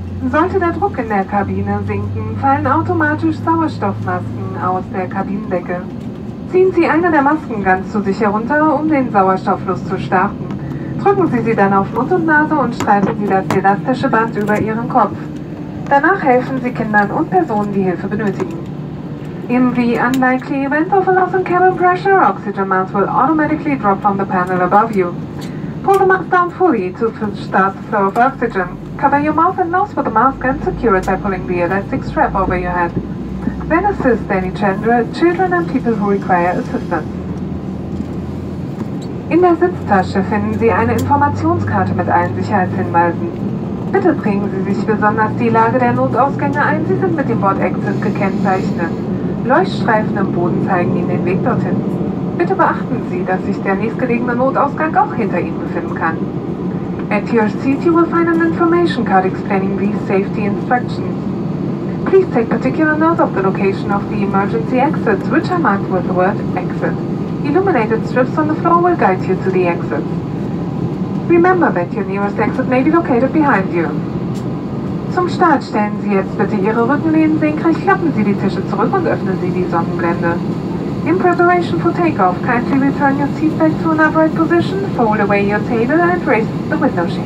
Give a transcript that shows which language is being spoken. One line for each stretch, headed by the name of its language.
German: Sollte der Druck in der Kabine sinken, fallen automatisch Sauerstoffmasken aus der Kabinendecke. Ziehen Sie eine der Masken ganz zu sich herunter, um den Sauerstofffluss zu starten. Drücken Sie sie dann auf Mund und Nase und streifen Sie das elastische Band über Ihren Kopf. Danach helfen Sie Kindern und Personen, die Hilfe benötigen.
English: In the unlikely event of a loss in cabin pressure, oxygen masks will automatically drop from the panel above you. Pull the mask down fully to start the flow of oxygen. Cover your mouth and nose with a mask and secure it by pulling the elastic strap over your head. Then assist any children and people who require assistance.
German: In der Sitztasche finden Sie eine Informationskarte mit allen Sicherheitshinweisen. Bitte prägen Sie sich besonders die Lage der Notausgänge ein. Sie sind mit dem Wort Exit gekennzeichnet. Leuchtstreifen im Boden zeigen Ihnen den Weg dorthin. Bitte beachten Sie, dass sich der nächstgelegene Notausgang auch hinter Ihnen befinden kann.
English: At your seat, you will find an information card explaining these safety instructions. Please take particular note of the location of the emergency exits, which are marked with the word exit. Illuminated strips on the floor will guide you to the exits. Remember that your nearest exit may be located behind you.
German: Zum Start stellen Sie jetzt bitte Ihre Rückenlehnen senkrecht, klappen Sie die Tische zurück und öffnen Sie die Sonnenblende.
English: In preparation for takeoff, kindly return your seat back to an upright position, fold away your table and raise the window shade.